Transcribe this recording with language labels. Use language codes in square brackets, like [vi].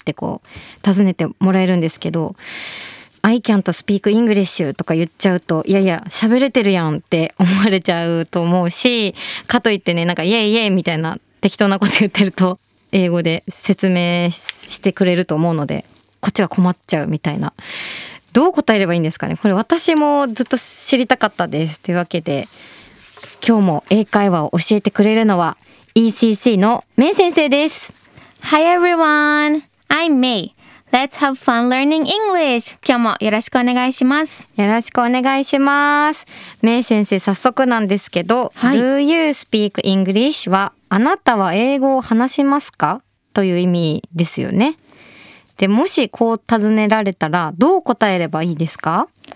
[ja] ってこう尋ねてもらえるんですけど、 [en] I can't speak English [ja] とか言っちゃうと、いやいや喋れてるやんって思われちゃうと思うし、かといってねなんかイエイイエイみたいな適当なこと言ってると英語で説明してくれると思うのでこっちは困っちゃうみたいな、どう答えればいいんですかね。これ私もずっと知りたかったです。というわけで今日も英会話を教えてくれるのは ECC のメイ先生です。 [en] Hi everyone, I'm MayLet's have fun learning English. [ja] 今日もよろしくお願いします。よろしくお願いします。メイ先生、早速なんですけど、はい、 [en] Do you speak English? [ja] は、あなたは英語を話しますか?という意味ですよね。で、もしこう尋ねられたら、どう答えればいいですか?